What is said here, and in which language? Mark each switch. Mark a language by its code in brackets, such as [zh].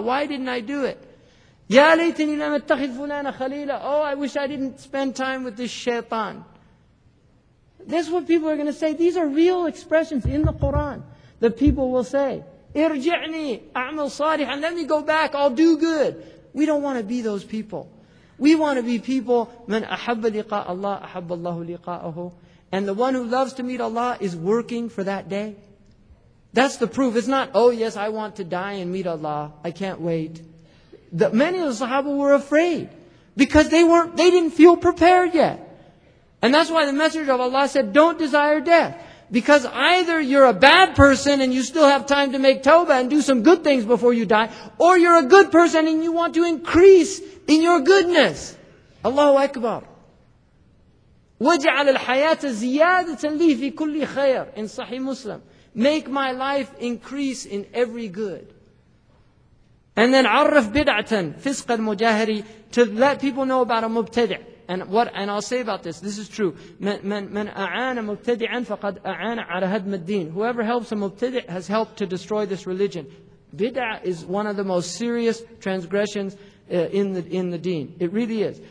[en] Why didn't I do it? [ar] يَا لَيْتَنِي لَمَ اتَّخِذْ فُلَانَ خَلِيلًا. [en] Oh, I wish I didn't spend time with this shaitan. That's what people are going to say. These are real expressions in the Qur'an that people will say. [ar] ارجعني أعمل صالحًا. [en] Let me go back, I'll do good. We don't want to be those people. We want to be people, [ar] مَنْ أَحَبَّ لِقَاءَ اللَّهِ أَحَبَّ اللَّهُ لِقَاءَهُ. [en] And the one who loves to meet Allah is working for that day. That's the proof. It's not, oh yes, I want to die and meet Allah. I can't wait. Many of the Sahaba were afraid. Because they didn't feel prepared yet. And that's why the Messenger of Allah said, don't desire death. Because either you're a bad person and you still have time to make tawbah and do some good things before you die. Or you're a good person and you want to increase in your goodness. Allahu Akbar. [ar] وَجْعَلَ الْحَيَاةَ زِيَادَةً لِي فِي كُلِّ خَيْرٍ [en] in Sahih Muslim. Make my life increase in every good. And then [ar] عَرَّفْ بِدْعَةً فِسْقَ الْمُجَاهِرِ [en] to let people know about a مُبْتَدِع. And I'll say about this is true. [ar] مَنْ أَعَانَ مُبْتَدِعًا فَقَدْ أَعَانَ عَلَى هَدْمَ الدِّينِ. [en] Whoever helps a مُبْتَدِع has helped to destroy this religion. Bid'ah is one of the most serious transgressions in the deen. It really is.